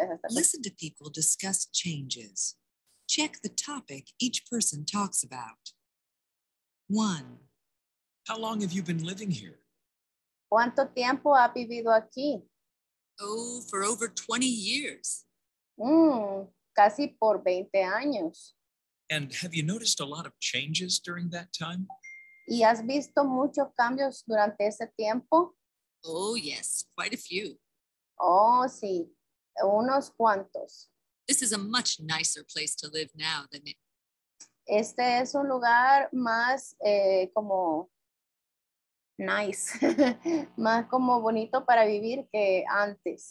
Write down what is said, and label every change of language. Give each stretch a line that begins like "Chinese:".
English: Listen to people discuss changes. Check the topic each person talks about. One. How long have you been living here?
Spanish: ¿Cuánto tiempo ha vivido aquí?
English: Oh, for over 20 years.
Spanish: Casi por 20 años.
English: And have you noticed a lot of changes during that time?
Spanish: ¿Y has visto muchos cambios durante ese tiempo?
English: Oh, yes, quite a few.
Spanish: Oh, sí, unos cuantos.
English: This is a much nicer place to live now than it.
Spanish: Este es un lugar más como nice, más como bonito para vivir que antes.